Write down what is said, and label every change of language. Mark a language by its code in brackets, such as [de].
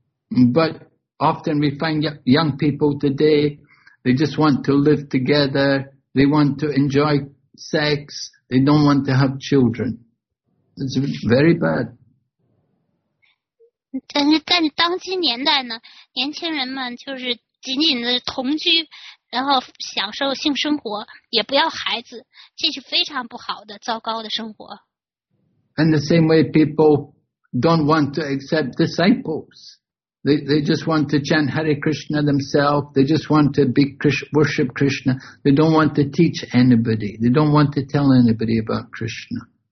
[en] But often we find young people today, they just want to live together, they want to enjoy sex, they don't want to have children. It's very bad. [zh] 但是当今年代呢，年轻人们就是仅仅的同居，然后享受性生活，也不要孩子，这是非常不好的，糟糕的生活。 [en] And the same way people don't want to accept disciples. They just want to chant Hare Krishna themselves. They just want to worship Krishna. They don't want to teach anybody. They don't want to tell anybody about Krishna.